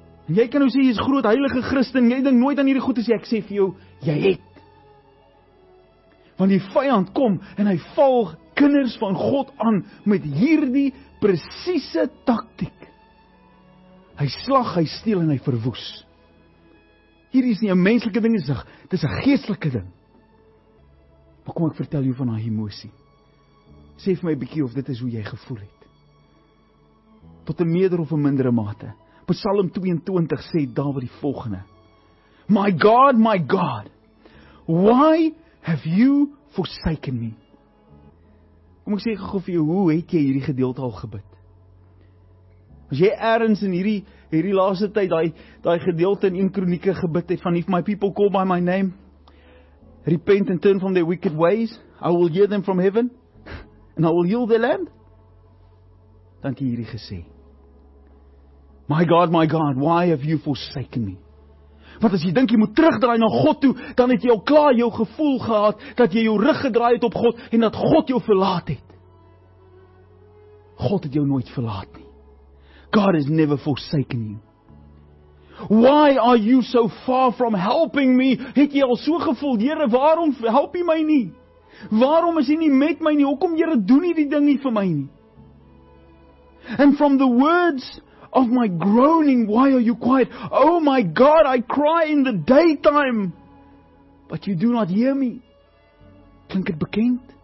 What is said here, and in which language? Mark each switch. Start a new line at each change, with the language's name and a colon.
Afrikaans: En jy kan nou sê jy is groot heilige Christen, jy dink nooit aan hierdie goed as jy ek sê vir jou, jy het. Want die vyand kom en hy volg kinders van God aan met hierdie presiese taktiek. Hy slag, hy steel en hy verwoes. Hierdie is nie 'n menslike ding, dit is 'n geestelike ding. Maar kom ek vertel jou van haar emosie. Sê vir my 'n bietjie of dit is hoe jy gevoel het. Tot 'n meerder of 'n mindere mate. Psalm 22 sê Dawid die volgende.
English: My God, why have you forsaken me?
Afrikaans: Kom ek sê gou vir jou, hoe het jy hierdie gedeelte al gebid? As jy ergens in hierdie laaste tyd daai gedeelte in 1 Kronieke gebid het van
English: if my people call by my name, repent and turn from their wicked ways, I will hear them from heaven and I will heal their land.
Afrikaans: Dankie hierdie gesê.
English: My God, why have you forsaken me?
Afrikaans: Want as jy dink jy moet terugdraai na God toe, dan het jy al klaar jou gevoel gehad, dat jy jou rug gedraai het op God, en dat God jou verlaat het. God het jou nooit verlaat nie.
English: God has never forsaken you. Why are you so far from helping me?
Afrikaans: Het jy al so gevoel, Here, waarom help jy my nie? Waarom is jy nie met my nie? Hoekom, Here, doen jy die ding nie vir my nie?
English: And from the words of my groaning, why are you quiet? Oh my God, I cry in the daytime, but you do not hear me.
Afrikaans: Klink dit bekend?